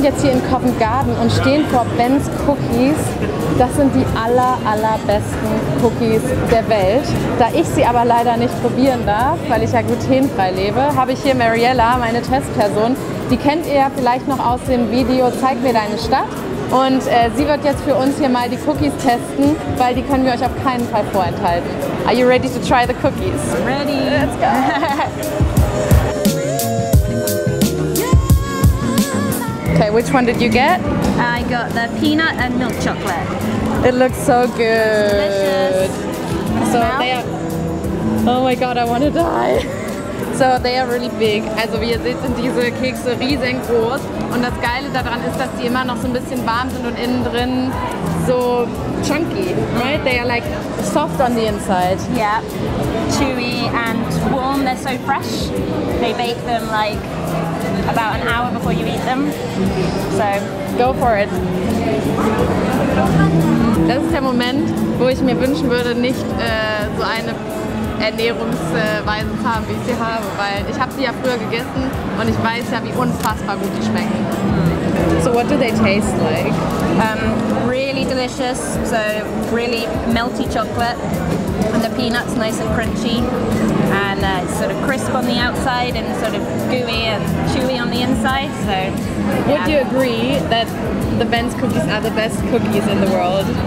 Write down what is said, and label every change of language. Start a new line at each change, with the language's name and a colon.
German: Und stehen vor Ben's Cookies. Das sind die allerbesten Cookies der Welt. Da ich sie aber leider nicht probieren darf, weil ich ja glutenfrei lebe, habe ich hier Mariella, meine Testperson. Die kennt ihr ja vielleicht noch aus dem Video Zeig mir deine Stadt. Und sie wird jetzt für uns hier mal die Cookies testen, weil die können wir euch auf keinen Fall vorenthalten.
English: Are you ready to try the cookies? Ready. Let's go. Okay, which one did you get? I got the peanut and milk chocolate. It looks so good. Delicious. So they are, oh my god, I want to die. So they are really big.
German: Also wie ihr seht, sind diese Kekse riesengroß. Und das Geile daran ist, dass die immer noch so ein bisschen warm sind und innen drin so
English: chunky, right? They are like soft on the inside. Yeah, chewy and warm. They're so fresh. They bake them like about an hour before you eat them. So go for it.
German: Das ist der Moment, wo ich mir wünschen würde, nicht so eine Ernährungsweise zu haben, wie ich sie habe, weil ich habe sie ja früher gegessen und ich weiß ja, wie unfassbar gut die schmecken.
English: So what do they taste like? Really delicious, so really melty chocolate and the peanuts nice and crunchy and it's sort of crisp on the outside and sort of gooey and chewy on the inside, so yeah. Would you agree that the Ben's cookies are the best cookies in the world?